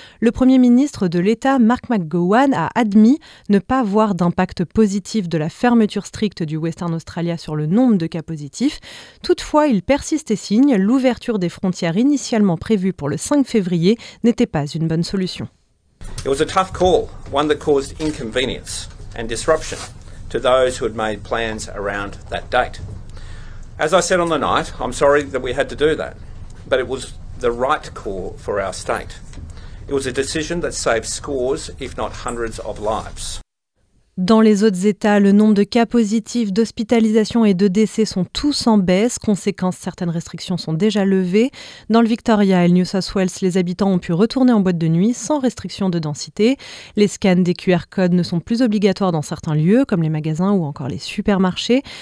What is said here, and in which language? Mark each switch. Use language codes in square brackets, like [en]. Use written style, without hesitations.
[fr] Le premier ministre de l'état, Mark McGowan, a admis ne pas voir d'impact positif de la fermeture stricte du Western Australia sur le nombre de cas positifs. Toutefois, il persiste et signe, l'ouverture des frontières initialement prévues pour le 5 février n'était pas une bonne solution. [en] It was a tough call, one that caused inconvenience and disruption to those who had made plans around that date. As I said on the night, I'm sorry that we had to do that, but it was the right call for our state. It was a decision that saved scores, if not hundreds of lives. [fr] Dans les autres États, le nombre de cas positifs, d'hospitalisations et de décès sont tous en baisse. Conséquence, certaines restrictions sont déjà levées. Dans le Victoria et le New South Wales, les habitants ont pu retourner en boîte de nuit sans restriction de densité. Les scans des QR codes ne sont plus obligatoires dans certains lieux, comme les magasins ou encore les supermarchés.